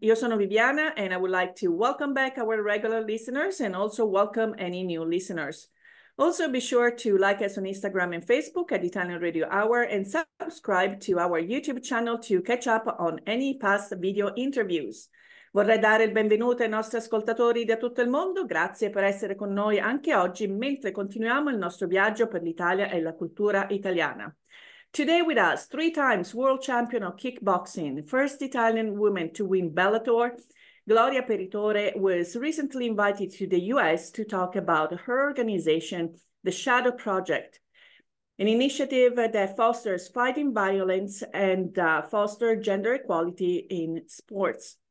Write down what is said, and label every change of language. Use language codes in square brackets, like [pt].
[it] Io sono Viviana [en] and I would like to welcome back our regular listeners and also welcome any new listeners. Also be sure to like us on Instagram and Facebook at Italian Radio Hour and subscribe to our YouTube channel to catch up on any past video interviews. [it] Vorrei dare il benvenuto ai nostri ascoltatori da tutto il mondo, grazie per essere con noi anche oggi mentre continuiamo il nostro viaggio per l'Italia e la cultura italiana. [en] Today with us, three times world champion of kickboxing, first Italian woman to win Bellator, Gloria Peritore was recently invited to the US to talk about her organization, the Shadow Project, an initiative that fosters fighting violence and foster gender equality in sports.